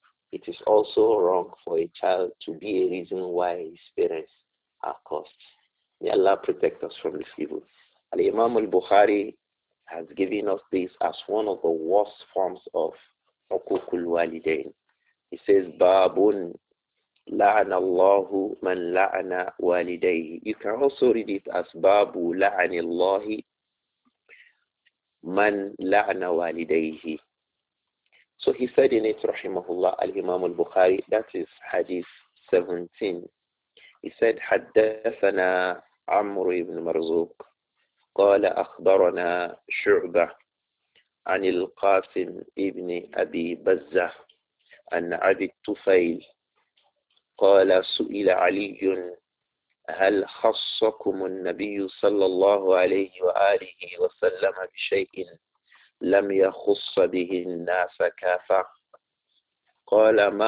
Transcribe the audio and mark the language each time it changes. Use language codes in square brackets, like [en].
[en] It is also wrong for a child to be a reason why his parents are cursed. May Allah protect us from this evil. Al-Imam al-Bukhari has given us this as one of the worst forms of حقوق الوالدين. He says, [ar] بَابٌ لَعَنَ اللَّهُ مَنْ لَعَنَ وَالِدَيْهِ. [en] You can also read it as [ar] بَابُ لَعَنِ اللَّهِ مَنْ لَعَنَ وَالِدَيْهِ. [en] So he said in it, Rahimahullah, Al-Imam al-Bukhari, that is Hadith 17. He said, [ar] حَدَّثَنَا عَمْرُ بْنُ مَرْزُوقٍ قَالَ أَخْبَرَنَا شُعْبَةٌ عن القاسم ابن أبي بزة أن عبد الطفيل قال سئل علي هل خصكم النبي صلى الله عليه وآله وسلم بشيء لم يخص به الناس كافة قال